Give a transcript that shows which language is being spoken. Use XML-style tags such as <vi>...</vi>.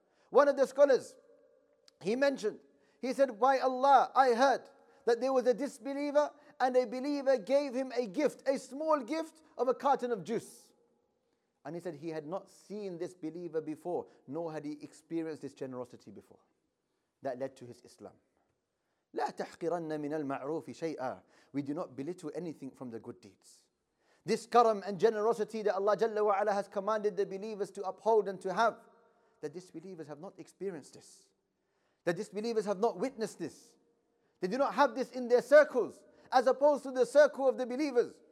<en>One of the scholars, he said, by Allah, I heard that there was a disbeliever and a believer gave him a gift, a small gift of a carton of juice. And he said he had not seen this believer before, nor had he experienced this generosity before. That led to his Islam.</en> <ar>لا تحقرن من المعروف شيئا.</ar> <en>We do not belittle anything from the good deeds. This karam and generosity that Allah Jalla wa Ala has commanded the believers to uphold and to have, the disbelievers have not experienced this. The disbelievers have not witnessed this. They do not have this in their circles, as opposed to the circle of the believers.</en>